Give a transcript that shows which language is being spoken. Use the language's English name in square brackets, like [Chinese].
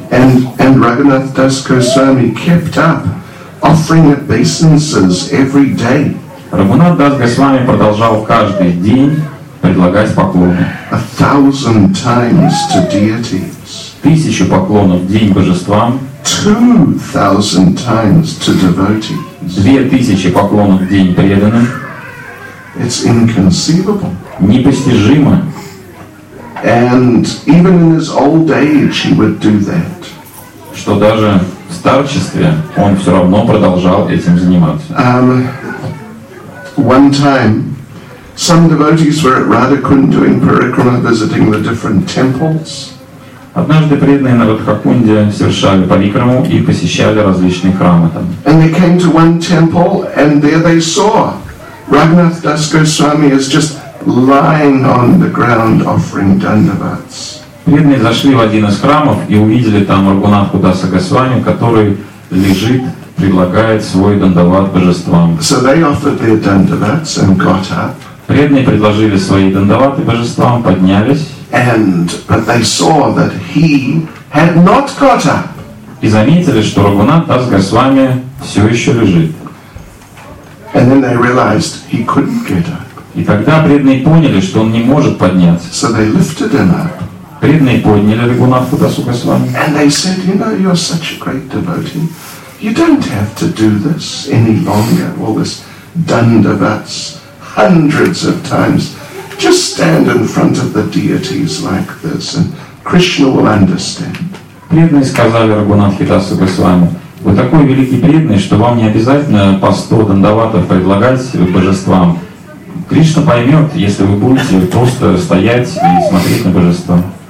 [English] And Raghunath Das Gosami kept up offering obeisances every day. [Russian] Раghunath Das Gosami продолжал каждый день предлагать поклоны. [English] 1,000 times to deities. [Russian] 1,000 поклонов в день божествам. [English] 2,000 times to devotees. [Russian] 2,000 поклонов в день преданным. [English] It's inconceivable. [Russian] Непостижимо. [English] And even in his old age he would do that. [Russian] Что даже в старчестве он все равно продолжал этим заниматься. [English] One time some devotees were at Radhakund doing parikrama, visiting the different temples. [Russian] Однажды преданные на Радхакунде совершали парикраму и посещали различные храмы там. [English] And they came to one temple, and there they saw Raghunath Das Goswami is just lying on the ground offering dandavats. [Russian] Преданные зашли в один из храмов и увидели там Рагхунатху Даса Госвами, который лежит, предлагает свой дандават божествам. [English] So they offered their dandavats and got up. [Russian] Преданные предложили свои дандаваты божествам, поднялись. [English] But they saw that he had not got up. [Russian] И заметили, что Рагхунат Дас Госвами все еще лежит. [English] And then they realized he couldn't get up. [Russian] И тогда преданные поняли, что он не может подняться. [English] So they lifted him up. [Russian] Преданные подняли Рагхунатху Дасу Госвами. [English] And they said, you know, you're such a great devotee. You don't have to do this any longer. All this dandavats, hundreds of times. Just stand in front of the deities like this, and Krishna will understand. [Russian] Преданные сказали Рагхунатху Дасу Госвами. Вы такой великий преданный, что вам не обязательно по 100 дандаватов предлагать божествам. Кришна поймет, если вы будете просто стоять и смотреть на божество.